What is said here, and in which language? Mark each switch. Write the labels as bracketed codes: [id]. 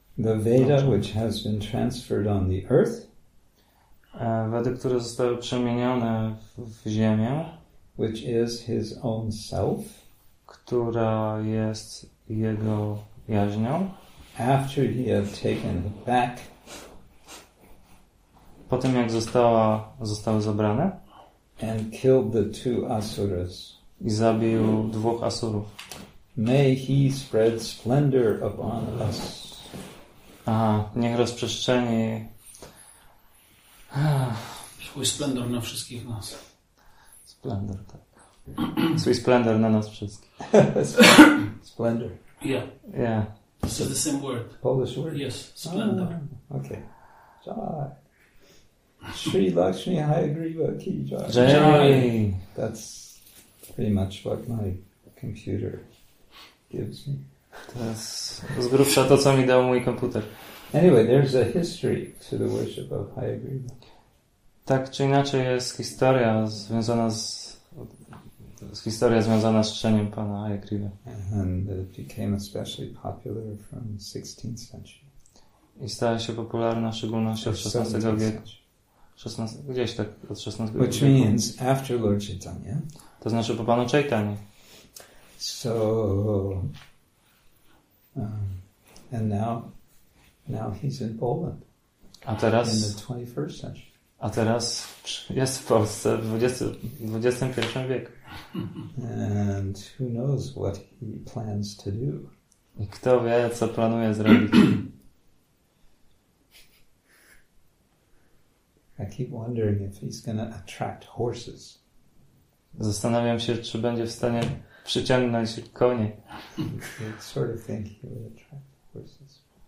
[en] The Veda, which has been transferred on the earth, [pl] Wedy, które zostały przemienione w ziemię, [en] which is his own self, [pl] która jest jego jaźnią, [en] after he had taken it back, [pl] po tym jak zostały zabrane, [en] and killed the two asuras, [pl] i zabił dwóch asurów. [en] May he spread splendor upon us. [pl] Niech rozprzestrzeni swój splendor na wszystkich nas. Splendor, tak. Swój splendor na nas wszystkich. Splendor. [en] Yeah. Yeah. It's the same word. Polish word? Yes, splendor. Ah, okay. [hi] Jai. Sri Lakshmi Hayagriva Ki Jai. Jai. [en] That's pretty much what my computer gives me. [pl] To jest z grubsza to, co mi dał mój komputer. [en] Anyway, there's a history to the worship of Hayagriva. [pl] Tak czy inaczej jest historia związana z czczeniem pana Hayagrivy. [en] And it became especially popular from 16th century. [pl] I stała się popularna w szczególności od XVI wieku. Gdzieś tak od XVI wieku. [en] Which means after Lord Chaitanya. [pl] To znaczy po panu Chaitanyi. [en] So... and now he's in Poland. [pl] A teraz, [en] in the 21st century. [pl] A teraz jest w Polsce w 21 wieku. [en] And who knows what he plans to do? [pl] I kto wie, co planuje zrobić? [en] I keep wondering if he's gonna attract horses. [pl] Zastanawiam się, czy będzie w stanie przyciągnąć konie. [en] Sort of think he would attract horses.